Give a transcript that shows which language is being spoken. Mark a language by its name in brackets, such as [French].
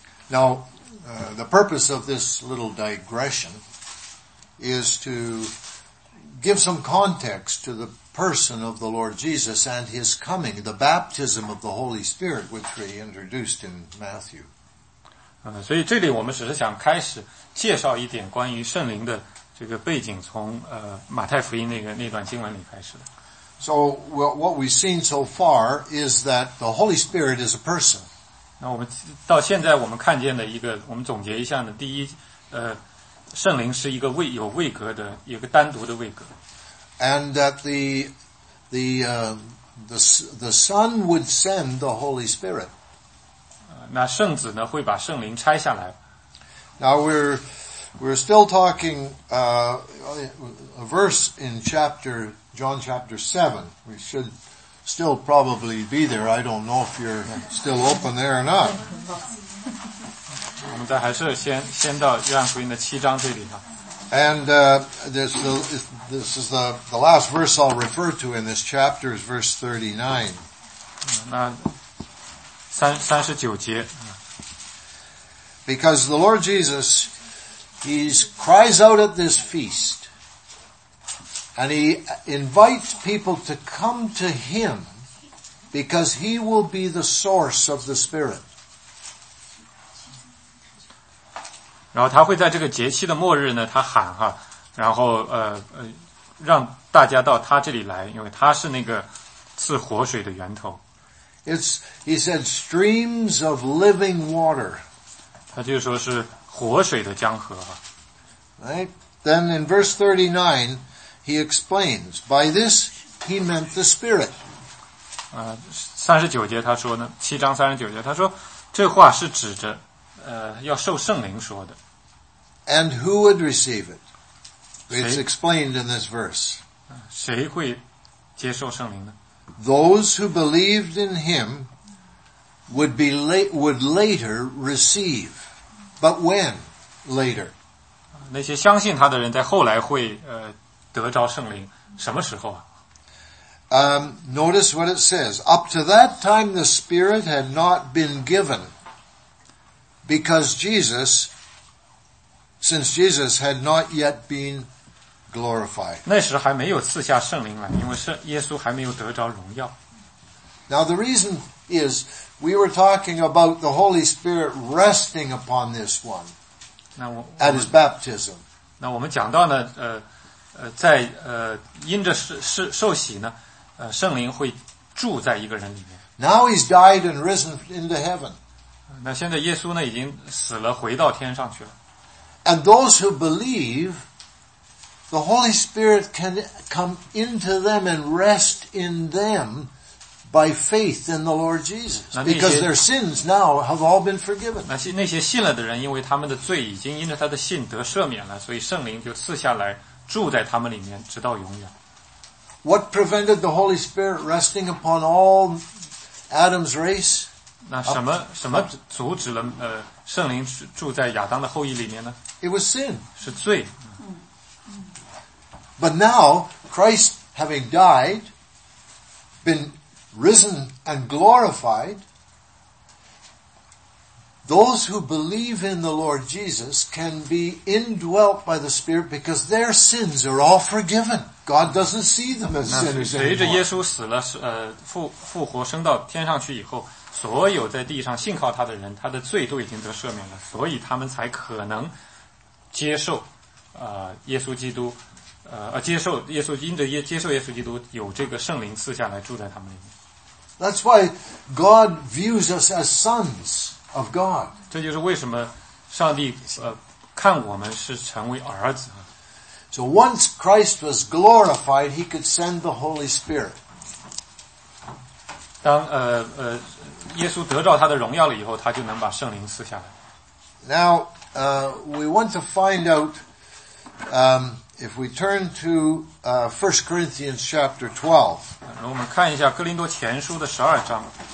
[English] Now, the purpose of this little digression is to. Give some context to the person of the Lord Jesus and His coming, the baptism of the Holy Spirit, which we introduced in Matthew. [Chinese] 所以这里我们只是想开始介绍一点关于圣灵的这个背景，从马太福音那段经文里开始的。 [English] So what we've seen so far is that the Holy Spirit is a person. [Chinese] 那我们到现在我们看见的一个，我们总结一下呢，第一，圣灵是一个位有位格的，一个单独的位格。 [English] And that the Son would send the Holy Spirit. [Chinese] 那圣子呢会把圣灵拆下来。 [English] Now we're still talking a verse in John chapter 7. We should still probably be there. I don't know if you're still open there or not. [Chinese] 我们再还是先到约翰福音的七章这里哈。 [English] And this is the last verse I'll refer to in this chapter is verse 39. [Chinese] 那39节。 [English] Because the Lord Jesus, He cries out at this feast, and He invites people to come to Him, because He will be the source of the Spirit. [Chinese] 然后他会在这个节期的末日呢，他喊哈，然后让大家到他这里来，因为他是那个赐活水的源头。 [English] He said streams of living water. [Chinese] 他就说是活水的江河哈。 [English] Right. Then in verse 39, he explains by this he meant the Spirit. [Chinese] 39节他说呢，七章39节他说这话是指着。要受圣灵说的。 [English] And who would receive it? It's explained in this verse. [Chinese] 谁会接受圣灵呢? [English] Those who believed in him would later receive. But when? Later. [Chinese] 那些相信他的人在后来会得着圣灵。什么时候啊? [English] Notice what it says. Up to that time the Spirit had not been given.Because Jesus since Jesus had not yet been glorified. [Chinese] 那时还没有赐下圣灵来，因为是耶稣还没有得着荣耀。 [English] Now the reason is we were talking about the Holy Spirit resting upon this one at his baptism. [Chinese] 那我们讲到呢，在因着受洗呢，圣灵会住在一个人里面。 [English] Now he's died and risen into heaven. [Chinese] 那现在耶稣呢，已经死了，回到天上去了。 [English] And those who believe, the Holy Spirit can come into them and rest in them by faith in the Lord Jesus. Because their sins now have all been forgiven. [Chinese] 那些信了的人，因为他们的罪已经因着他的信得赦免了，所以圣灵就赐下来住在他们里面，直到永远。 [English] What prevented the Holy Spirit resting upon all Adam's race? [Chinese] 那什么阻止了圣灵住在亚当的后裔里面呢？ [English] It was sin. [Chinese] 是罪。 [English] But now, Christ having died, been risen and glorified, those who believe in the Lord Jesus can be indwelt by the Spirit because their sins are all forgiven. God doesn't see them as sinners anymore. [Chinese] 随着耶稣死了，复活升到天上去以后，所有在地上信靠他的人，他的罪都已经得赦免了，所以他们才可能接受耶稣基督，接受耶稣，因着接受耶稣基督，有这个圣灵赐下来住在他们里面。 [English] That's why God views us as sons of God. [Chinese] 这就是为什么上帝看我们是成为儿子。 [English] So once Christ was glorified, He could send the Holy Spirit. [Chinese] 当耶稣得到他的荣耀了以后，他就能把圣灵赐下来。 [English] Now, we want to find out, if we turn to 1 Corinthians chapter 12. [Chinese] 然后我们看一下哥林多前书的十二章。